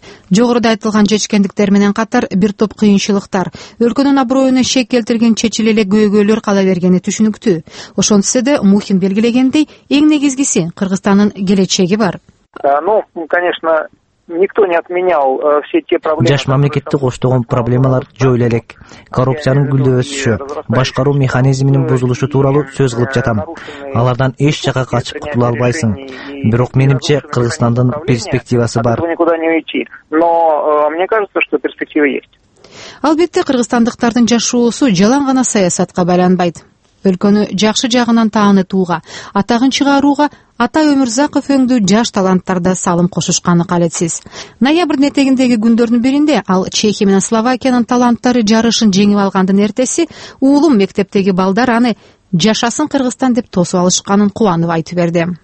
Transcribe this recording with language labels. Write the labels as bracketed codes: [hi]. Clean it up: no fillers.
[ky] Жогоруда айтылган жетишкендиктер менен катар бир топ кыйынчылыктар, өлкөнүн аброюна шек келтирген чечиле эле көйгөйлөр кала бергени түшүнүктүү. Ошентсе да Мухин белгилегендей, эң негизгиси Кыргызстандын келечеги бар. [ru] Ну, конечно, никто не отменял все те проблемы. [ky] Жаш мамлекетти коштогон проблемалар жой эле элек. Коррупциянын гүлдөп өсүшү, башкаруу механизминин бузулушу тууралуу сөз кылып жатам. Алардан эч жака качып кутула албайсың. Бирок менимче Кыргызстандын перспективасы бар. [ru] Но мне кажется, что перспектива есть. [ky] Албетте, кыргызстандыктардын жашоосу жалаң гана саясатка байланбайт. өлкөнү жакшы жагынан таанытууга, атагын чыгарууга Ата Өмүрзаков өңдү жаш таланттарда салым кошушканы калетсиз. Ноябрдын этегиндеги күндөрдүн биринде ал Чехия менен Словакиянын таланттары жарышын жеңип алгандын эртеси уулум мектептеги балдар аны жашасын Кыргызстан деп тосуп алышканын кубанып айтып берди.